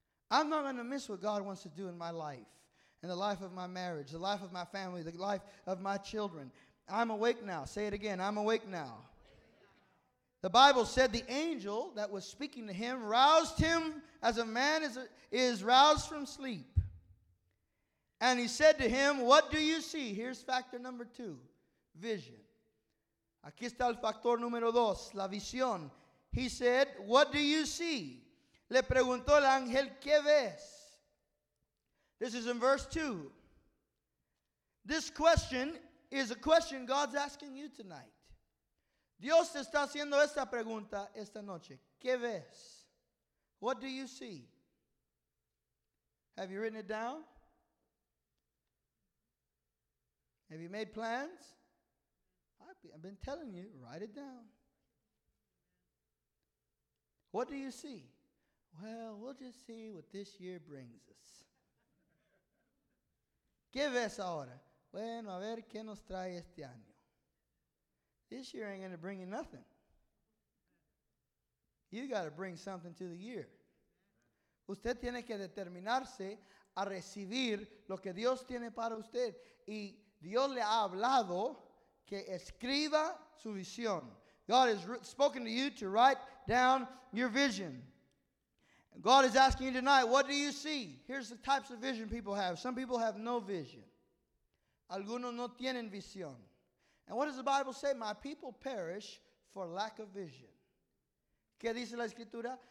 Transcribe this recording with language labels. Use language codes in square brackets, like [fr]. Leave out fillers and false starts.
[en] I'm not going to miss what God wants to do in my life, in the life of my marriage, the life of my family, the life of my children. I'm awake now. Say it again. I'm awake now. The Bible said the angel that was speaking to him roused him as a man is roused from sleep. And he said to him, what do you see? Here's factor number two, vision. [es] Aquí está el factor número dos, la visión. [en] He said, what do you see? [es] Le preguntó el ángel, ¿qué ves? [en] This is in verse two. This question is a question God's asking you tonight. [es] Dios te está haciendo esta pregunta esta noche. ¿Qué ves? [en] What do you see? Have you written it down? Have you made plans? I've been telling you, write it down. What do you see? Well, we'll just see what this year brings us. [es] ¿Qué ves ahora? Bueno, a ver qué nos trae este año. [en] This year ain't going to bring you nothing. You got to bring something to the year. [es] Usted tiene que determinarse a recibir lo que Dios tiene para usted. Y Dios le ha hablado que escriba su visión. [en] God has spoken to you to write down your vision. God is asking you tonight, what do you see? Here's the types of vision people have. Some people have no vision. [es] Algunos no tienen visión. [en] And what does the Bible say? My people perish for lack of vision. [es] ¿Qué dice la Escritura?